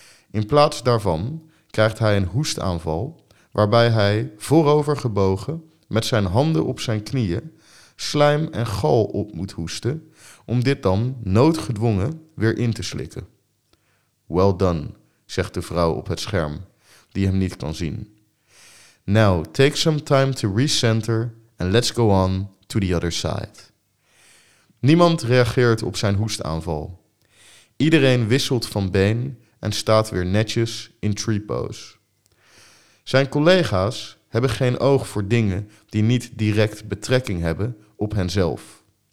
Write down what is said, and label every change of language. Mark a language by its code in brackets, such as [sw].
[nl] In plaats daarvan krijgt hij een hoestaanval, waarbij hij voorovergebogen met zijn handen op zijn knieën slijm en gal op moet hoesten om dit dan noodgedwongen weer in te slikken. [en] Well done, [nl] zegt de vrouw op het scherm, die hem niet kan zien. [en] Now take some time to recenter and let's go on to the other side. [nl] Niemand reageert op zijn hoestaanval. Iedereen wisselt van been en staat weer netjes in tree pose. Zijn collega's hebben geen oog voor dingen die niet direct betrekking hebben op henzelf.